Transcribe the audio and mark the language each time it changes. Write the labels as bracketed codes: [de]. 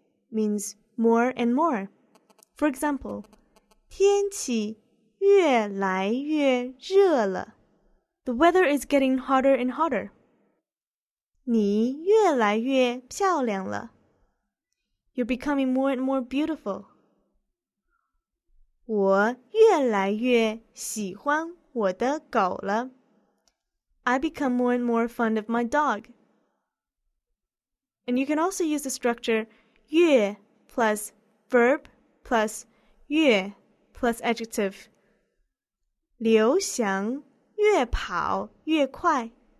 [en] means more and more. For example, [zh] 天气越来越热了。 [en] The weather is getting hotter and hotter. [zh] 你越来越漂亮了。 [en] You're becoming more and more beautiful. [zh] 我越来越喜欢我的狗了。 [en] I become more and more fond of my dog. And you can also use the structure 越 plus verb plus 越 plus adjective. [zh] 刘翔越跑越快。